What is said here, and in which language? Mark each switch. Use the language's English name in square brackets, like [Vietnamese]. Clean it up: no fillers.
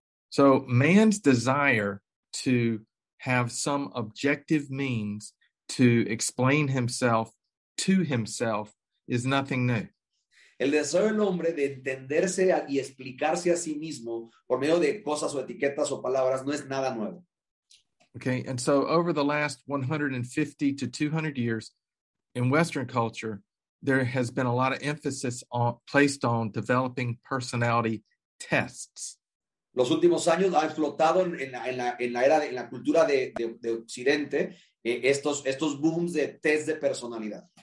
[English] So man's desire to have some objective means to explain himself to himself is nothing new. [Spanish] El deseo del hombre de entenderse y explicarse a sí mismo por medio de cosas o etiquetas o palabras no es nada nuevo. [English] Okay, and so over the last 150 to 200 years in Western culture, there has been a lot of emphasis placed on developing personality tests. [Spanish] Los últimos años ha explotado en la cultura de Occidente estos booms de test de personalidad.